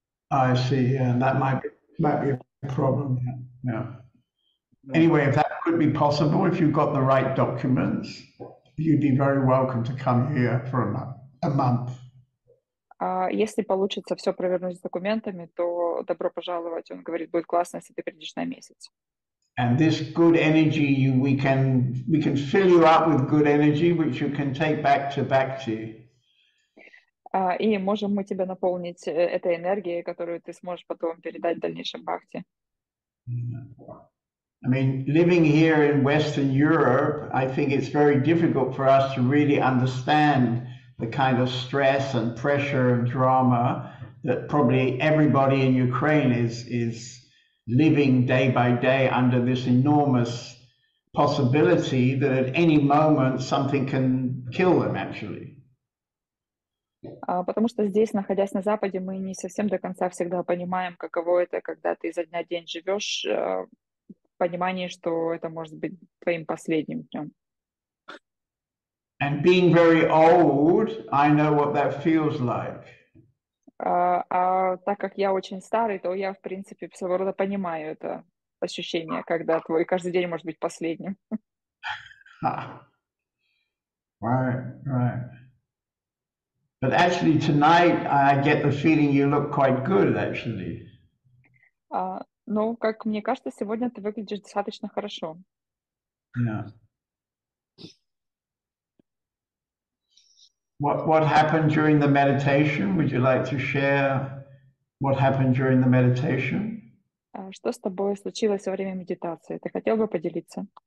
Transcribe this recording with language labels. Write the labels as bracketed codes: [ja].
[en] I see, and that might be a problem. Yeah. Anyway, if that could be possible, if you've got the right documents, you'd be very welcome to come here for a month. [ru] Если получится все провернуть с документами, то добро пожаловать. Он говорит, будет классно, если ты придешь на месяц. [en] And this good energy, we can fill you up with good energy, which you can take back to Bhakti. [ru] И можем мы тебя наполнить этой энергией, которую ты сможешь потом передать в дальнейшем Бхакти. [en] I mean, living here in Western Europe, I think it's very difficult for us to really understand the kind of stress and pressure and drama that probably everybody in Ukraine is living day by day under this enormous possibility that at any moment something can kill them, actually. [ru] Потому что здесь, находясь на Западе, мы не совсем до конца всегда понимаем, каково это, когда ты за дня в день живешь в понимании, что это может быть твоим последним днем. [en] And being very old, I know what that feels like. [ru] Так как я очень старый, то я, в принципе, своего рода понимаю это ощущение, когда твой каждый день может быть последним. [en] Right. But actually tonight I get the feeling you look quite good actually. [ru] Ну, как мне кажется, сегодня ты выглядишь достаточно хорошо. [en] Yeah. What happened during the meditation? Would you like to share what happened during the meditation? [ru] Что с тобой случилось во время медитации? Ты хотел бы поделиться?